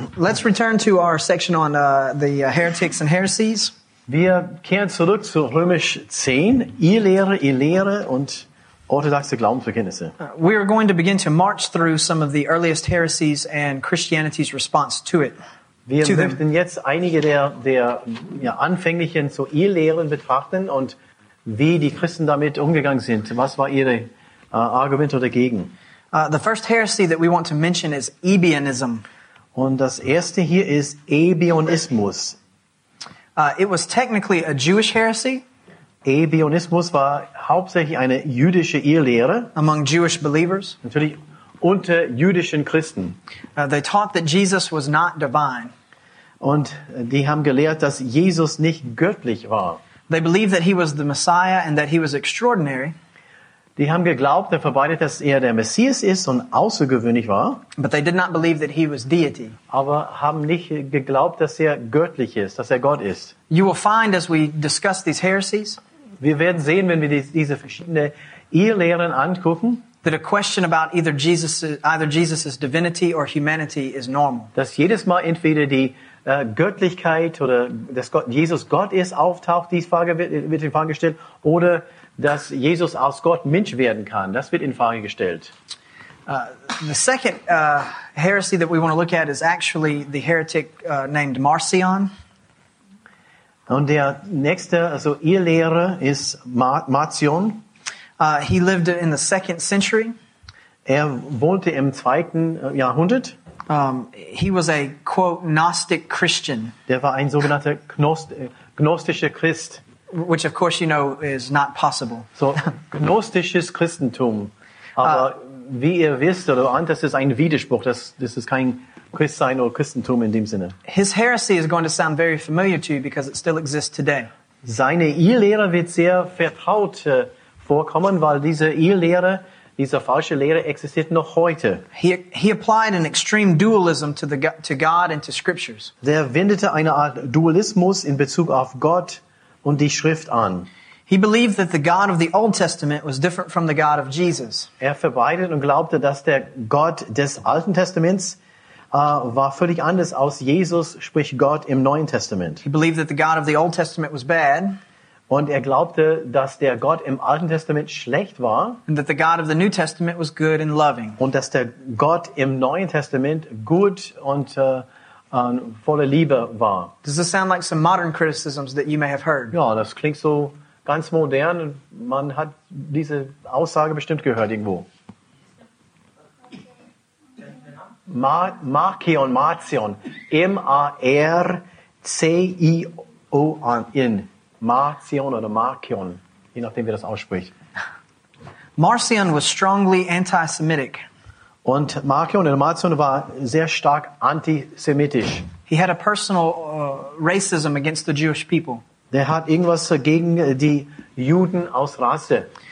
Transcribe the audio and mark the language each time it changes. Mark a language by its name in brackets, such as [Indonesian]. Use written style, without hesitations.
[English] Let's return to our section on the heretics and heresies. [German] Wir kehren zurück zu Römisch 10, ihr Lehre und orthodoxe Glaubensbekenntnisse. [English] We are going to begin to march through some of the earliest heresies and Christianity's response to it. [German] Wir möchten jetzt einige der anfänglichen so Irrlehren betrachten und wie die Christen damit umgegangen sind. Was war ihre Argument dagegen? [English] The first heresy that we want to mention is Ebionism. [German] Und das erste hier ist Ebionismus. [English] It was technically a Jewish heresy. [German] Ebionismus war hauptsächlich eine jüdische Irrlehre. [English] Among Jewish believers. [German] Natürlich unter jüdischen Christen. [English] They taught that Jesus was not divine. [German] Und die haben gelehrt, dass Jesus nicht göttlich war. [English] They believed that he was the Messiah and that he was extraordinary. [German] Die haben geglaubt und verbreitet, dass der Messias ist und außergewöhnlich war. [English] But they did not believe that he was deity. [German] Aber haben nicht geglaubt, dass göttlich ist, dass Gott ist. [English] You will find as we discuss these heresies. [German] Wir werden sehen, wenn wir diese verschiedenen Irrlehren angucken. [English] That a question about either Jesus's divinity or humanity is normal. [German] Dass jedes Mal entweder die Göttlichkeit oder dass Jesus Gott ist auftaucht, diese Frage wird in Frage gestellt, oder dass Jesus aus Gott Mensch werden kann, das wird in Frage gestellt. [English] The second heresy that we want to look at is actually the heretic named Marcion. [German] Und der nächste, also ihr Lehrer, ist Marcion. [English] He lived in the second century. [German] Wohnte im zweiten Jahrhundert. [English] He was a quote Gnostic Christian. [German] Der war ein sogenannter gnostischer Christ. [English] Which, of course, you know, is not possible. [German] So, gnostisches Christentum. Aber wie ihr wisst oder ahnt, das ist ein Widerspruch. Das ist kein Christsein oder Christentum in dem Sinne. [English] His heresy is going to sound very familiar to you because it still exists today. [German] Seine Irrlehre wird sehr vertraut vorkommen, weil diese Irrlehre, diese falsche Lehre existiert noch heute. [English] He applied an extreme dualism to God and to scriptures. [German] Der wendete eine Art Dualismus in Bezug auf Gott und die Schrift an. [English] He believed that the God of the Old Testament was different from the God of Jesus. [German] Verbreitete und glaubte, dass Gott des Alten Testaments war völlig anders als Jesus, sprich Gott im Neuen Testament. [English] He believed that the God of the Old Testament was bad. [German] Und glaubte, dass Gott im Alten Testament schlecht war. [English] And that the God of the New Testament was good and loving. [German] Und dass Gott im Neuen Testament gut und voller Liebe war. [English] Does this sound like some modern criticisms that you may have heard? [German] Ja, das klingt so ganz modern. Man hat diese Aussage bestimmt gehört irgendwo. [English] Marcion, Marcion. M-A-R-C-I-O-N. [German] Marcion oder Marcion. Je nachdem, wie das ausspricht. [English] Marcion was strongly anti-Semitic. [German] Und Marcion oder Marcion war sehr stark antisemitisch. [English] He had a personal racism against the Jewish people. [German] Der hat irgendwas gegen die Juden aus Rasse.